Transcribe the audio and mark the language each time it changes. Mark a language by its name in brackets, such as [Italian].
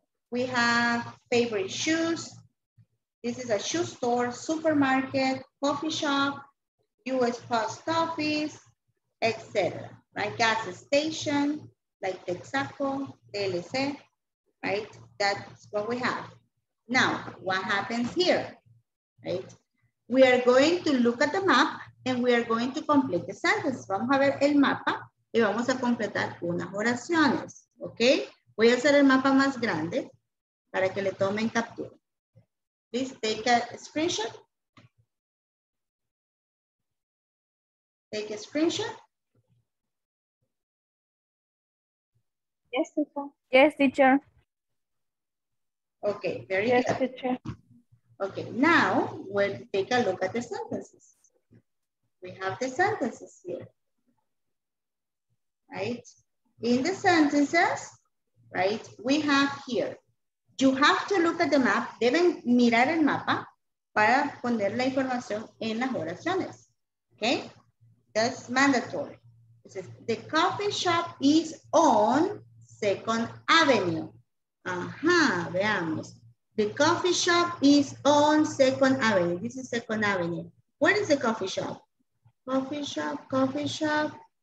[English] We have favorite shoes. This is a shoe store, supermarket, coffee shop, US post office, etc. Right? Gas station, like Texaco, TLC, right? That's what we have. Now, what happens here? Right? We are going to look at the map and we are going to complete the sentence. [Spanish] Vamos a ver el mapa y vamos a completar unas oraciones. Ok? Voy a hacer el mapa más grande para que le tomen captura. [English] Please take a screenshot. Take a screenshot. Yes, teacher. Yes, teacher. Okay, very good. Yes, teacher. Okay, now we'll take a look at the sentences. We have the sentences here. Right? In the sentences, right, we have here. You have to look at the map. [Spanish] Deben mirar el mapa para poner la información en las oraciones. [English] Okay? That's mandatory. It says, the coffee shop is on Second Avenue. [Spanish] Ajá, veamos. [English] The coffee shop is on Second Avenue. This is Second Avenue. Where is the coffee shop? Coffee shop, coffee shop.